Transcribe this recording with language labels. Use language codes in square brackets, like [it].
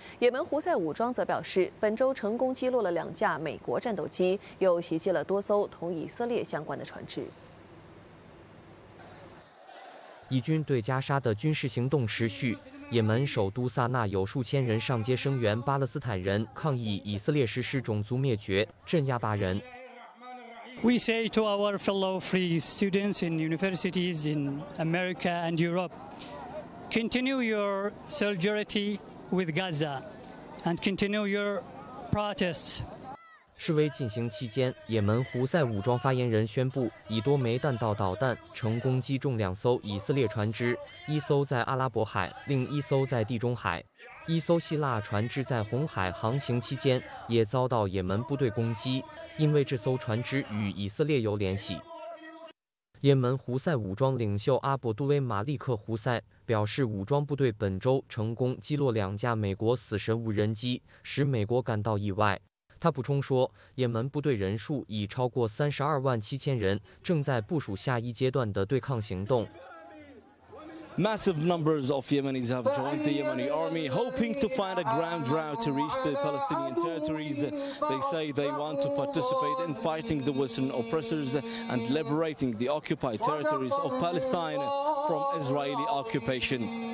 [zh] 也门胡塞武装则表示，本周成功击落了2架美国战斗机，又袭击了多艘同以色列相关的船只。以军对加沙的军事行动持续，也门首都萨那有数千人上街声援巴勒斯坦人，抗议以色列实施种族灭绝，镇压巴人。 [en] We say to our fellow free students in universities in America and Europe, continue your solidarity with Gaza and continue your protests. [zh] 示威进行期间，也门胡塞武装发言人宣布，以多枚弹道导弹成功击中两艘以色列船只，一艘在阿拉伯海，另一艘在地中海。一艘希腊船只在红海航行期间也遭到也门部队攻击，因为这艘船只与以色列有联系。也门胡塞武装领袖阿卜杜威·马利克·胡塞表示，武装部队本周成功击落两架美国死神无人机，使美国感到意外。他补充说，也门部队人数已超过32万7000人，正在部署下一阶段的对抗行动。 [en] Massive numbers of Yemenis have joined the Yemeni army, hoping to find a ground route to reach the Palestinian territories. They say they want to participate in fighting the Western oppressors and liberating the occupied territories of Palestine from Israeli occupation.